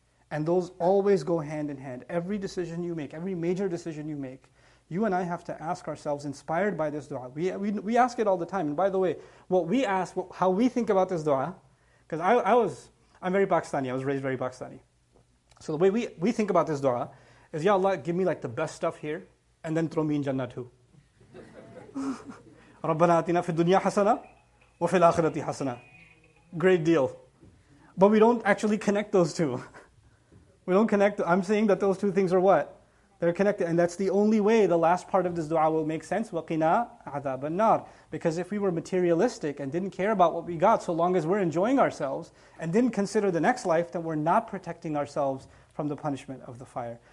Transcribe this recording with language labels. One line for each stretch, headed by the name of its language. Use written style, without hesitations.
English: And those always go hand in hand. Every decision you make, every major decision you make, you and I have to ask ourselves, inspired by this dua. We ask it all the time. And by the way, what we ask, how we think about this dua, because I'm very Pakistani, I was raised very Pakistani. So the way we think about this dua is, Ya Allah, give me like the best stuff here, and then throw me in Jannah too.
Arabic: رَبَّنَا أَتِنَا فِي الدُّنْيَا حَسَنَةً وَفِي الْآخِرَةِ حَسَنَةً
English: Great deal. But we don't actually connect those two. We don't connect. I'm saying that those two things are what? They're connected. And that's the only way the last part of this dua will make sense.
Arabic: وَقِنَا عَذَابَ النَّارِ
English: Because if we were materialistic and didn't care about what we got, so long as we're enjoying ourselves, and didn't consider the next life, then we're not protecting ourselves from the punishment of the fire.